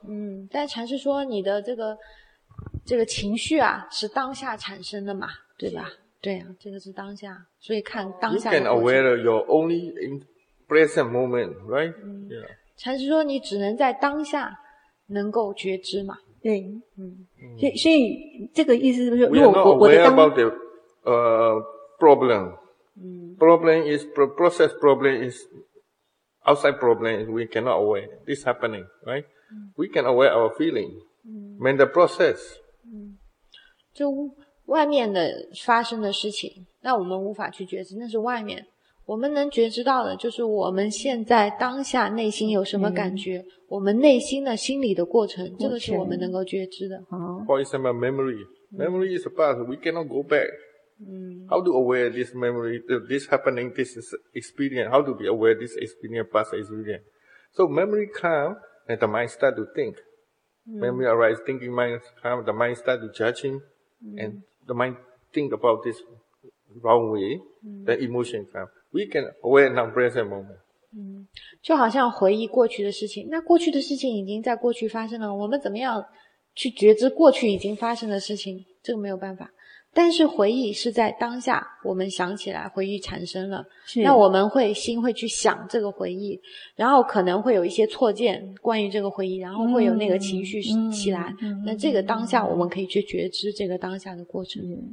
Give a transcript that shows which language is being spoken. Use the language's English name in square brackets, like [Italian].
[Chinese] 嗯，但禅师说你的这个情绪啊是当下产生的嘛，对吧？对啊，这个是当下，所以看当下的过程。 [English] You can aware your only in present moment, right?、 [Chinese] Yeah. 禅师说你只能在当下。能够觉知嘛？对，嗯，所以这个意思就是，如果我的当 [English] about the problem，嗯，problem is process problem is outside problem we cannot aware this happening right，we can aware our feeling，mean the process， [Chinese] 就外面的发生的事情，那我们无法去觉知，那是外面。我们能觉知到的就是我们现在当下内心有什么感觉、嗯、我们内心的心理的过程、嗯、这个是我们能够觉知的。 [English] For example, memory. Memory is a past. We cannot go back.、嗯、 how to aware this memory, this happening, this is experience. How to be aware this experience, past experience. So memory come and the mind start to think. Memory arise, thinking mind come, the mind start to judging, and the mind think about this wrong way, the emotion come. We can aware in our present moment. [Chinese] 就好像回忆过去的事情，那过去的事情已经在过去发生了，我们怎么样去觉知过去已经发生的事情，这个没有办法。但是回忆是在当下，我们想起来回忆产生了，那我们会心会去想这个回忆，然后可能会有一些错见关于这个回忆，然后会有那个情绪起来，那这个当下我们可以去觉知这个当下的过程。